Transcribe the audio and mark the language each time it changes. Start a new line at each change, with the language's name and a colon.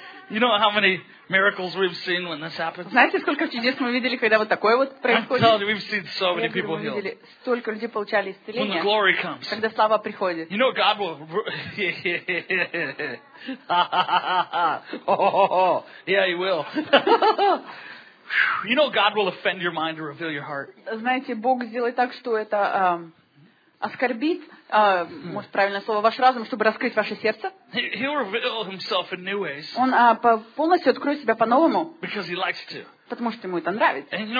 English: You know how many miracles we've seen when this happens?
Russian: Знаете, сколько чудес мы видели, когда вот такое вот происходит?
English: I'm telling you, we've seen so many people healed.
Russian: Мы видели столько людей получали исцеление.
English: When the glory comes.
Russian: Когда слава приходит.
English: You know God will. Yeah, He will. You know God will offend your mind to reveal your heart.
Russian: Знаете, Бог сделает так, что это оскорбит, может, правильное слово, ваш разум, чтобы раскрыть ваше сердце. Он полностью откроет себя по-новому.
English: Because he likes to.
Russian: Потому что ему это нравится.